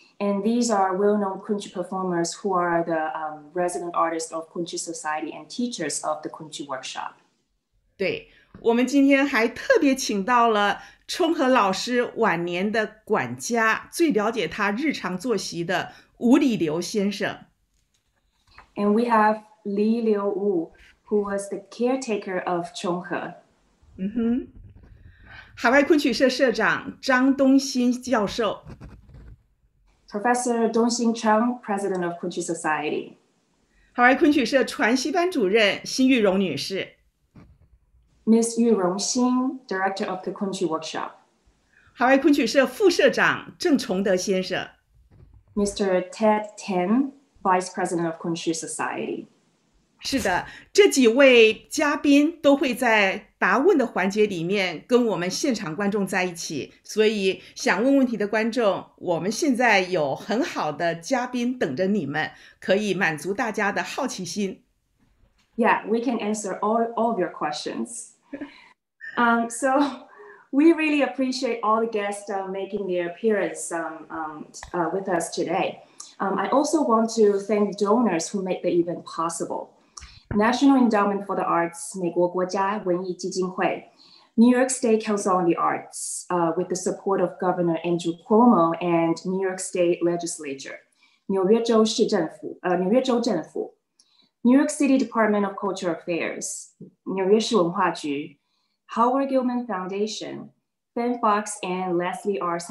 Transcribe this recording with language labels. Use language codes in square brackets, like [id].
[en] And these are well-known Kunqu performers who are the resident artists of Kunqu Society and teachers of the Kunqu Workshop. [zh] 对。我们今天还特别请到了冲和老师晚年的管家，最了解他日常作息的吴里流先生。 [en] And we have Li Liu Wu, who was the caretaker of 冲和。 [zh] 海外昆曲社社长张东新教授。 [en] Professor 东新 Chang, President of Kunqu Society。 [zh] 海外昆曲社传习班主任辛玉荣女士。 [en] Ms. Yu Rongxin, Director of the Kunqu Workshop. [zh] Hawaii Kunqu 社副社长, 郑崇德先生. [en] Mr. Ted Tan, Vice President of Kunqu Society. [zh] 是的, 这几位嘉宾都会在答问的环节里面跟我们现场观众在一起, 所以想问问题的观众, 我们现在有很好的嘉宾等着你们, 可以满足大家的好奇心。 [en] Yeah, we can answer all of your questions. So we really appreciate all the guests making their appearance with us today. I also want to thank donors who make the event possible. National Endowment for the Arts, 美国国家文艺基金会, New York State Council on the Arts, with the support of Governor Andrew Cuomo and New York State Legislature, 纽约州政府, New York City Department of Cultural Affairs, 纽约市文化局, Howard Gilman Foundation, Ben Fox and Leslie R.